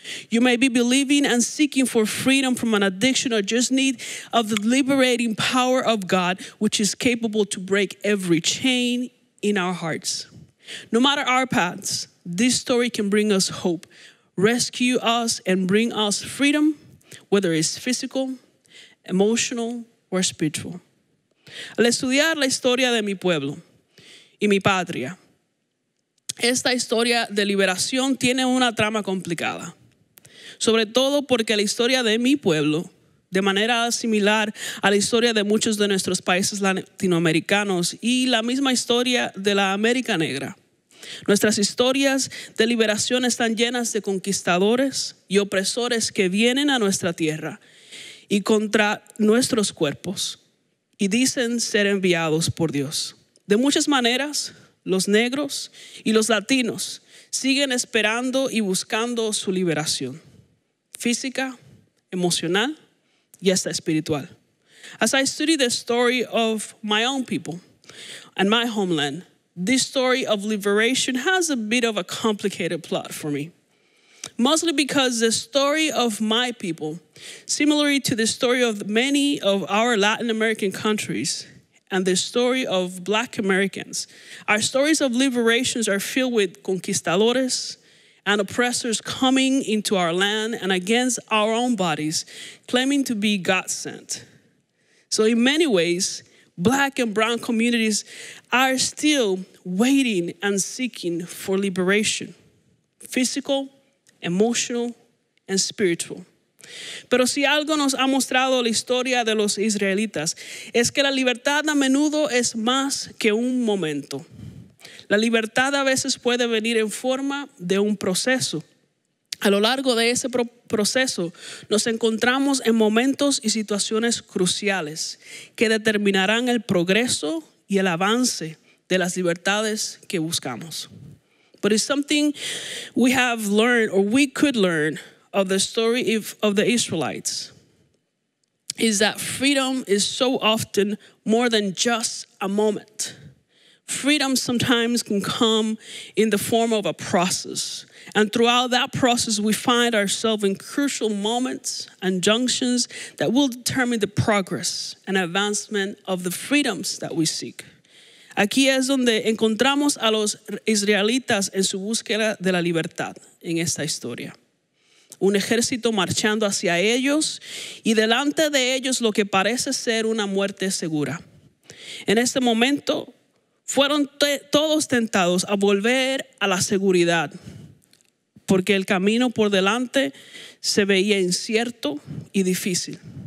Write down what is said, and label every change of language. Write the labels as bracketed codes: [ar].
[en] You may be believing and seeking for freedom from an addiction or just need of the liberating power of God, which is capable to break every chain in our hearts. No matter our paths, this story can bring us hope, rescue us, and bring us freedom, whether it's physical, emotional, or spiritual. [es] Al estudiar la historia de mi pueblo y mi patria, esta historia de liberación tiene una trama complicada, sobre todo porque la historia de mi pueblo, de manera similar a la historia de muchos de nuestros países latinoamericanos y la misma historia de la América Negra, nuestras historias de liberación están llenas de conquistadores y opresores que vienen a nuestra tierra y contra nuestros cuerpos y dicen ser enviados por Dios. De muchas maneras, los negros y los latinos siguen esperando y buscando su liberación física, emocional y hasta espiritual. [en] As I study the story of my own people and my homeland, this story of liberation has a bit of a complicated plot for me. Mostly because the story of my people, similarly to the story of many of our Latin American countries, and the story of Black Americans, our stories of liberations are filled with conquistadores and oppressors coming into our land and against our own bodies, claiming to be God sent. So in many ways, Black and brown communities are still waiting and seeking for liberation, physical, emotional, and spiritual. [es] Pero si algo nos ha mostrado la historia de los israelitas es que la libertad a menudo es más que un momento. La libertad a veces puede venir en forma de un proceso. A lo largo de ese proceso nos encontramos en momentos y situaciones cruciales que determinarán el progreso y el avance de las libertades que buscamos. [en] But it's something we have learned, or we could learn, of the story of the Israelites is that freedom is so often more than just a moment. Freedom sometimes can come in the form of a process. And throughout that process, we find ourselves in crucial moments and junctions that will determine the progress and advancement of the freedoms that we seek. [es] Aquí es donde encontramos a los israelitas en su búsqueda de la libertad en esta historia. Un ejército marchando hacia ellos y delante de ellos lo que parece ser una muerte segura. En ese momento fueron todos tentados a volver a la seguridad porque el camino por delante se veía incierto y difícil.